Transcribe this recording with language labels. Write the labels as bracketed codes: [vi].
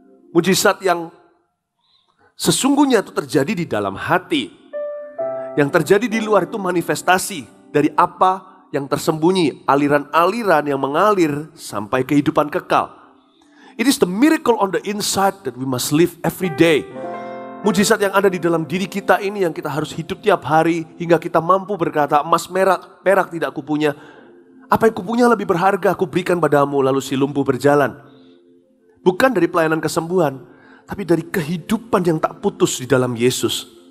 [id] Mujizat yang sesungguhnya itu terjadi di dalam hati. Yang terjadi di luar itu manifestasi dari apa yang tersembunyi, aliran-aliran yang mengalir sampai kehidupan kekal. [en] It is the miracle on the inside that we must live every day. [id] Mujizat yang ada di dalam diri kita ini yang kita harus hidup tiap hari hingga kita mampu berkata, emas merah, perak tidak kupunya. Apa yang kupunya lebih berharga, aku berikan padamu, lalu si lumpuh berjalan. Bukan dari pelayanan kesembuhan, tapi dari kehidupan yang tak putus di dalam Yesus.